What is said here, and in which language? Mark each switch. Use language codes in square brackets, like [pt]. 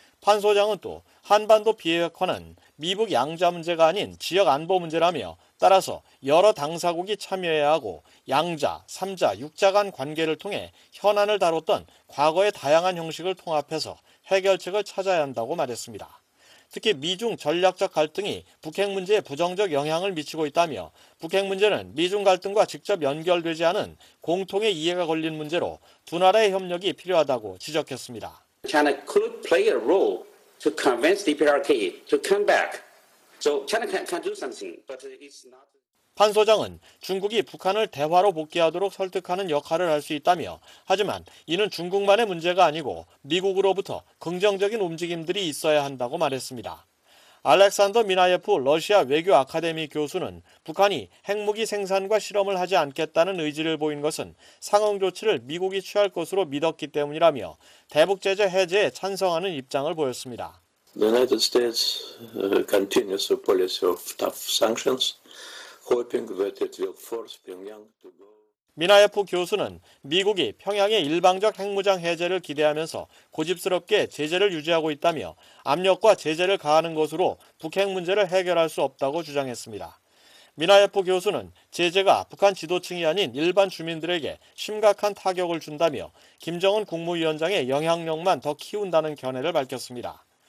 [ko] 판 소장은 또 한반도 비핵화는 미북 양자 문제가 아닌 지역 안보 문제라며 따라서 여러 당사국이 참여해야 하고 양자, 삼자, 육자 간 관계를 통해 현안을 다뤘던 과거의 다양한 형식을 통합해서 해결책을 찾아야 한다고 말했습니다. 특히 미중 전략적 갈등이 북핵 문제에 부정적 영향을 미치고 있다며 북핵 문제는 미중 갈등과 직접 연결되지 않은 공통의 이해가 걸린 문제로 두 나라의 협력이 필요하다고 지적했습니다. [en] China could play a role to convince the DPRK to come back. So China can do something, but it's not. [ko] 판 소장은 중국이 북한을 대화로 복귀하도록 설득하는 역할을 할 수 있다며 하지만 이는 중국만의 문제가 아니고 미국으로부터 긍정적인 움직임들이 있어야 한다고 말했습니다. 알렉산더 미나예프 러시아 외교 아카데미 교수는 북한이 핵무기 생산과 실험을 하지 않겠다는 의지를 보인 것은 상응 조치를 미국이 취할 것으로 믿었기 때문이라며 대북 제재 해제에 찬성하는 입장을 보였습니다. [en] The United States continues a policy of tough sanctions. Hoping that it will force Pyongyang to go. [ko] 미나예프 교수는 미국이 평양의 일방적 핵무장 해제를 기대하면서 고집스럽게 제재를 유지하고 있다며 압력과 제재를 가하는 것으로 북핵 문제를 해결할 수 없다고 주장했습니다. 미나예프 교수는 제재가 북한 지도층이 아닌 일반 주민들에게 심각한 타격을 준다며 김정은 국무위원장의 영향력만 더 키운다는 견해를 밝혔습니다.